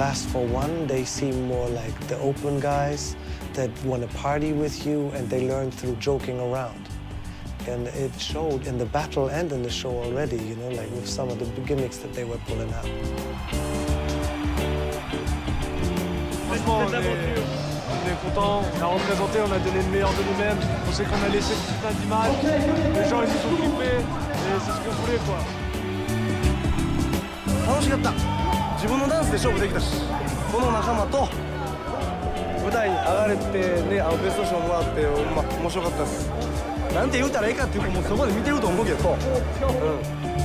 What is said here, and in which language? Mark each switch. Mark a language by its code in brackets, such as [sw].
[en] For one, they seem more like the open guys that want to party with you, and they learn through joking around. And it showed in the battle and in the show already, you know, like with some of the gimmicks that they were pulling out. [fr] On est content, on a représenté, on a donné le meilleur de nous-mêmes. On sait qu'on a laissé tout plein d'images. Les gens, ils se sont flippés, et c'est ce qu'on voulait, quoi. Comment j'ai capté ? [ja] 自分のダンスで勝負できたし、この仲間と舞台に上がれて、ね、あのベスト賞もらって、ま、面白かったです。なんて言うたらいいかっていうか、もうそこで見てると思うけど。うん。